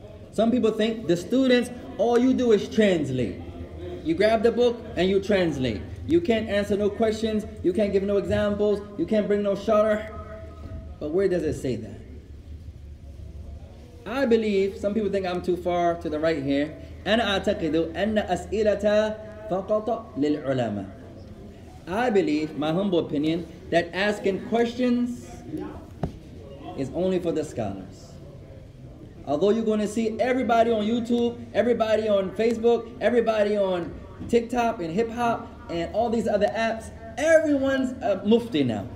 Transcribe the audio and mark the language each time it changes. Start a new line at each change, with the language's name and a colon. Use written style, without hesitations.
English: Some people think the students, all you do is translate. You grab the book and you translate. You can't answer no questions, you can't give no examples, you can't bring no sharh. But where does it say that? I believe, some people think I'm too far to the right here.
Arabic: أنا أعتقد أن أسئلتا فقط للعلماء.
English: I believe, my humble opinion, that asking questions is only for the scholars. Although you're going to see everybody on YouTube, everybody on Facebook, everybody on TikTok and hip hop and all these other apps, everyone's a mufti now.